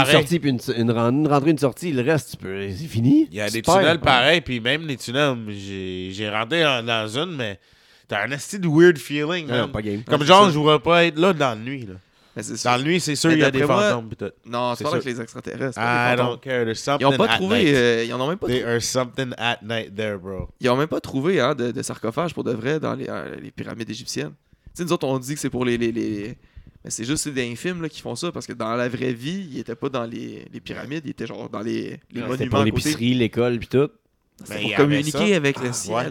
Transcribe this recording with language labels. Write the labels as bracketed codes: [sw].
[fr] une sortie, puis une rentrée, une sortie. Le reste, tu peux... C'est fini. Il y a des tunnels pareils, puis même les tunnels, j'ai rentré dans une, mais t'as un esti de [en] weird feeling. [fr] Non, pas game. Comme genre, je voudrais pas être là dans la nuit. Là. Mais c'est sûr. Dans la nuit, c'est sûr, il y a des fantômes, puis tout. Non, c'est pas avec les extraterrestres. [en] I don't care. There's something at night. [fr] Ils en ont même pas trouvé. [en] There's something at night there, bro. [fr] Ils ont même pas trouvé de sarcophage pour de vrai dans les pyramides égyptiennes. T'sais, nous autres, on dit que c'est pour les... Mais c'est juste des infimes là, qui font ça, parce que dans la vraie vie, ils n'étaient pas dans les pyramides, ils étaient genre dans les monuments. C'était pour l'épicerie, l'école, puis tout. C'était pour communiquer avec le ciel, ouais.